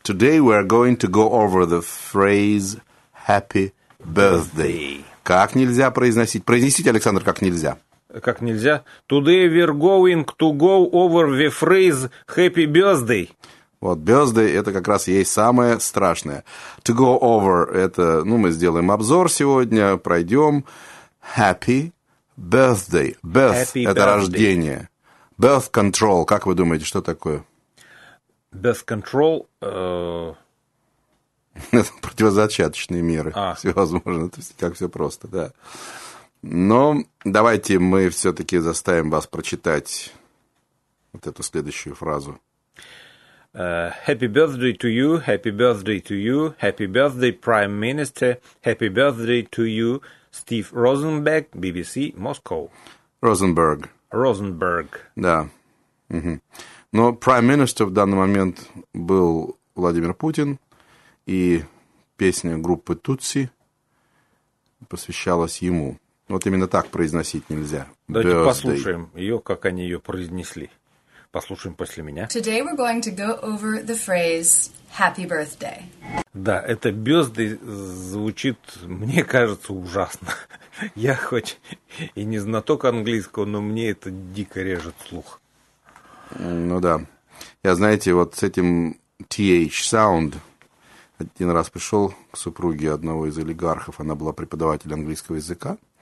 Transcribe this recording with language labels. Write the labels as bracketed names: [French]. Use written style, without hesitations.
[English] Today we are going to go over the phrase happy birthday. [Russian] Как нельзя произносить? Произнесите, Александр, как нельзя. Как нельзя? [English] Today we are going to go over the phrase happy birthday. [Russian] Вот, birthday – это как раз есть самое страшное. [English] To go over [Russian] – это, ну, мы сделаем обзор сегодня, пройдем. [English] Happy birthday. Birth – это birthday. [Russian] Рождение. Birth control – как вы думаете, что такое? [English] Birth control. [Russian] Это противозачаточные меры. Всевозможно, то есть, как все просто, да. Но давайте мы все-таки заставим вас прочитать вот эту следующую фразу. [English] Happy birthday to you, happy birthday to you, happy birthday, Prime Minister, happy birthday to you, Steve Rosenberg, BBC, Moscow. [Russian] Розенберг. Розенберг. Да. Угу. Но Prime Minister в данный момент был Владимир Путин, и песня группы Тутси посвящалась ему. Вот именно так произносить нельзя. Давайте birthday. Послушаем ее, как они ее произнесли. Послушаем после меня. [English] Today we're going to go over the phrase happy birthday. [Russian] Да, это birthday звучит, мне кажется, ужасно. Я хоть и не знаток английского, но мне это дико режет слух. Ну да. Я, знаете, вот с этим TH sound один раз пришел к супруге одного из олигархов, она была преподавателем английского языка.